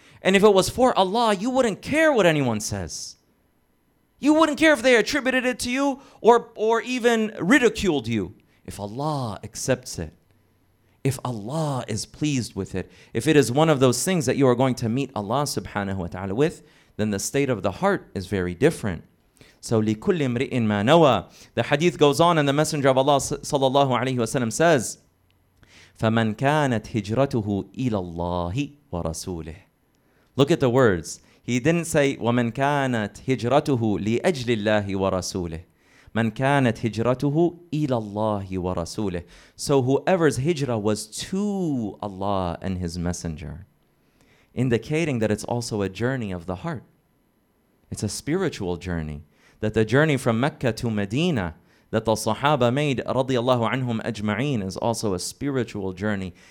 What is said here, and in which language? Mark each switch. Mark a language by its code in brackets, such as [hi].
[en] And if it was for Allah, you wouldn't care what anyone says. You wouldn't care if they attributed it to you or even ridiculed you. If Allah accepts it, if Allah is pleased with it, if it is one of those things that you are going to meet Allah subhanahu wa ta'ala with, then the state of the heart is very different. So [ar] لِكُلِّ امْرِئٍ مَا نَوَى. [en] The hadith goes on, and the Messenger of Allah sallallahu alayhi wa sallam says, [ar] فَمَنْ كَانَتْ هِجْرَتُهُ إِلَى اللَّهِ وَرَسُولِهِ. [en] Look at the words. He didn't say, [ar] وَمَنْ كَانَتْ هِجْرَتُهُ لِأَجْلِ اللَّهِ وَرَسُولِهِ. مَنْ كَانَتْ هِجْرَتُهُ إِلَى اللَّهِ وَرَسُولِهِ. [en] So whoever's hijrah was to Allah and His Messenger, indicating that it's also a journey of the heart. It's a spiritual journey. That the journey from Mecca to Medina that the Sahaba made, radiallahu anhum ajma'een, is also a spiritual journey.